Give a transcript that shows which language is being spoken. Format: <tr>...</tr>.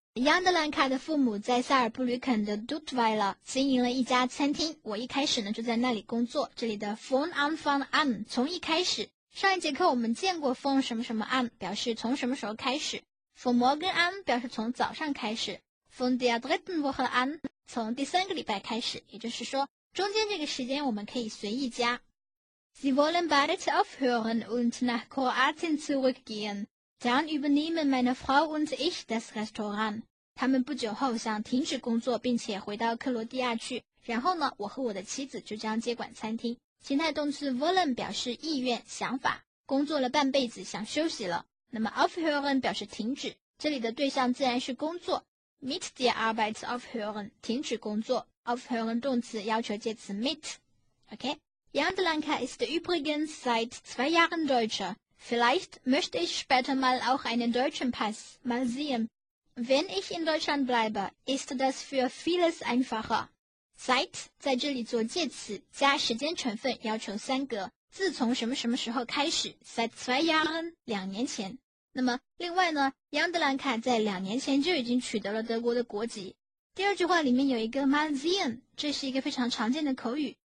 <zh>杨德兰卡的父母在萨尔布吕肯的 Duttweiler 经营了一家餐厅，我一开始呢就在那里工作。这里的</zh> <de>von Anfang an</de> <zh>从一开始，上一节课我们见过 von 什么什么 an 表示从什么时候开始，</zh> <de>von morgen an</de> <zh>表示从早上开始，</zh> <de>von der dritten Woche an</de> <zh>从第三个礼拜开始，也就是说中间这个时间我们可以随意加。</zh> <de>Sie wollen bald aufhören und nach Kroatien zurückgehen. Dann übernehmen meine Frau und ich das Restaurant.</de> <zh>他们不久后想停止工作并且回到克罗地亚去，然后呢我和我的妻子就将接管餐厅。情态动词 wollen 表示意愿想法，工作了半辈子想休息了，那么 aufhören 表示停止，这里的对象自然是工作。</zh> <de>mit der Arbeit aufhören</de> <zh>停止工作， aufhören 动词要求介词 mit。 OK。</zh> <de>Jandlanka ist übrigens seit 2 Jahren Deutscher. Vielleicht möchte ich später mal auch einen deutschen Pass. Mal sehen. Wenn ich in Deutschland bleibe, ist das für vieles einfacher.</de> <zh>Seit 在这里做介词，加时间成分，要求三格。自从什么什么时候开始 ？</zh> <de>Seit 2 Jahren</de> <zh>两年前。那么另外呢 ，Jandlanka 在两年前就已经取得了德国的国籍。第二句话里面有一个</zh> <de>mal sehen，</de> <zh>这是一个非常常见的口语。</zh>